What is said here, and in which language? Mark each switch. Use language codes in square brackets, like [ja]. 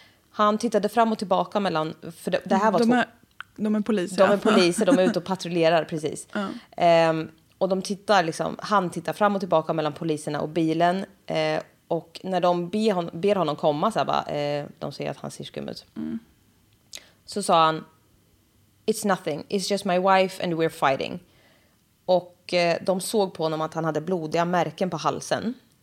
[sv] Han tittade fram och tillbaka mellan... För det här var de är poliser. De är poliser, de är ute och patrullerar, precis. Och de tittar liksom, han tittar fram och tillbaka mellan poliserna och bilen. Och när de ber honom komma så här, de säger att han ser skum ut. Så sa han, [en] it's nothing, it's just my wife and we're fighting. [sv] Och de såg på honom att han hade blodiga märken på halsen.